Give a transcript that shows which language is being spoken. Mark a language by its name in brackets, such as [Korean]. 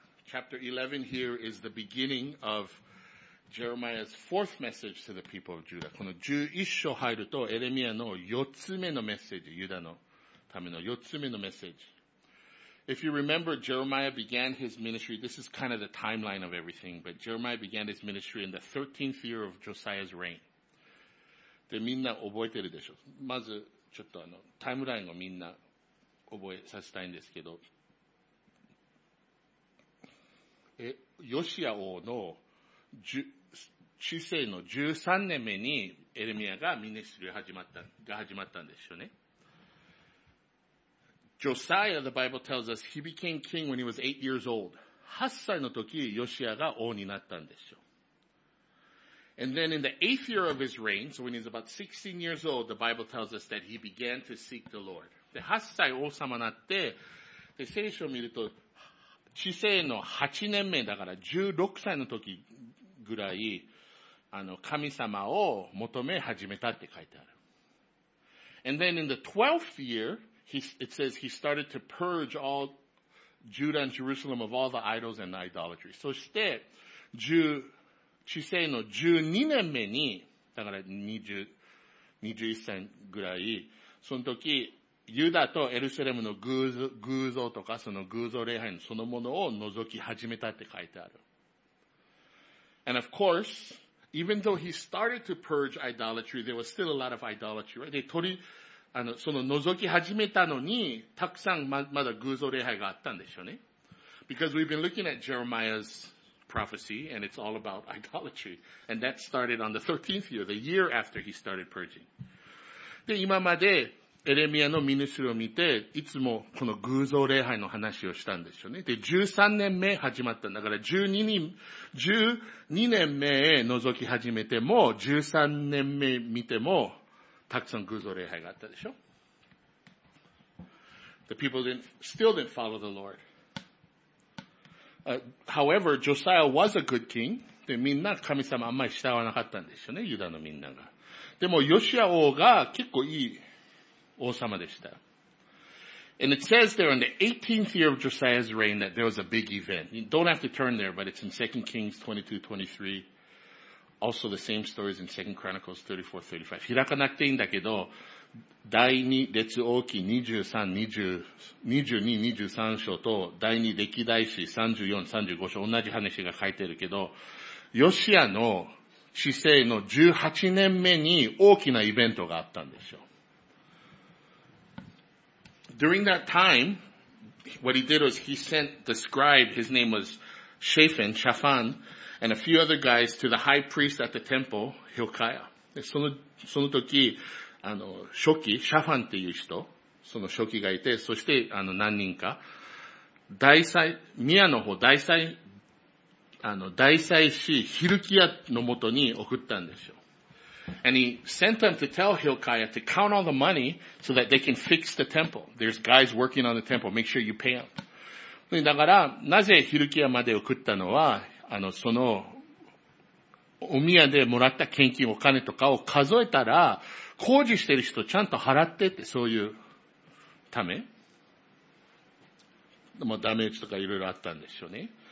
[English] Chapter 11 here is the beginning of Jeremiah's fourth message to the people of Judah. [Japanese] この11章入るとエレミアの4つ目のメッセージ、ユダのための4つ目のメッセージ。 [English] If you remember, Jeremiah began his ministry, this is kind of the timeline of everything, but Jeremiah began his ministry in the 13th year of Josiah's reign. [Japanese] で、みんな覚えてるでしょ。まず、ちょっとタイムラインをみんな覚えさせたいんですけど、ヨシア王の治世の13年目にエレミアがミニストリーが始まったんですよね。 [English] Josiah, the Bible tells us, he became king when he was 8 years old. [Japanese] 8歳の時、ヨシアが王になったんですよ。 [English] And then in the 8th year of his reign, so when he's about 16 years old, the Bible tells us that he began to seek the Lord. [Japanese] で、8歳王様になって、で、聖書を見ると、治世の8年目だから16歳の時ぐらい、神様を求め始めたって書いてある。 [English] And then in the 12th year,it says he started to purge all Judah and Jerusalem of all the idols and idolatry. [Japanese] そして、治世の12年目に、だから21歳ぐらい、その時、ユダとエルサレムの偶像とか、その偶像礼拝そのものを除き始めたって書いてある。 [English] And of course, even though he started to purge idolatry, there was still a lot of idolatry, right? [Japanese] その覗き始めたのに、たくさんまだ偶像礼拝があったんでしょうね。 [English] Because we've been looking at Jeremiah's prophecy, and it's all about idolatry. And that started on the 13th year, the year after he started purging. [Japanese] で、今までエレミアのミニストリーを見て、いつもこの偶像礼拝の話をしたんでしょうね。で、13年目始まったんだから、12年目へ覗き始めても、13年目見ても、たくさん偶像礼拝があったでしょ。 [English] The people still didn't follow the Lord. However, Josiah was a good king. [Japanese] で、みんな神様あんまり従わなかったんですよね、ユダのみんなが。でも、ヨシア王が結構いい王様でした。 [English] And it says there in the 18th year of Josiah's reign that there was a big event. You don't have to turn there, but it's in 2 Kings 22-23. Also the same stories in 2 Chronicles 34-35. [Japanese] 開かなくていいんだけど、第2列王記23章と第2歴代史34-35章同じ話が書いてるけど、ヨシアの治世の18年目に大きなイベントがあったんでしょ。 [English] During that time, what he did was he sent the scribe, his name was Shaphan,And a few other guys to the high priest at the temple, Hilkiah. [Japanese] その時、書記、シャファンっていう人、その書記がいて、そして、何人か、大祭司、ヒルキアのもとに送ったんですよ。 [English] And he sent them to tell Hilkiah to count all the money so that they can fix the temple. There's guys working on the temple. Make sure you pay them. [Japanese] だから、なぜヒルキアまで送ったのは、そのお宮でもらった献金お金とかを数えたら工事してる人ちゃんと払ってってそういうため、ダメージとかいろいろあったんでしょうね。